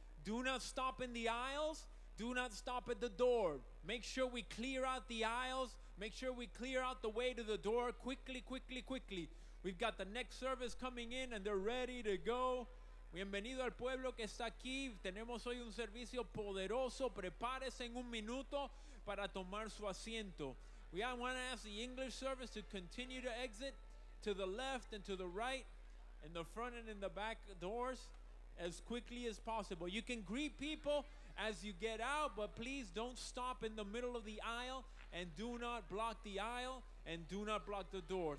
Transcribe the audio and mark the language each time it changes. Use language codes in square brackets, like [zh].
[en] Do not stop in the aisles. Do not stop at the door. Make sure we clear out the aisles. Make sure we clear out the way to the door quickly, quickly, quickly. We've got the next service coming in, and they're ready to go. [es] Bienvenido al pueblo que está aquí. Tenemos hoy un servicio poderoso. Prepárese en un minuto para tomar su asiento. [en] We want to ask the English service to continue to exit to the left and to the right, in the front and in the back doors, as quickly as possible. You can greet people as you get out, but please don't stop in the middle of the aisle, and do not block the aisle, and do not block the door.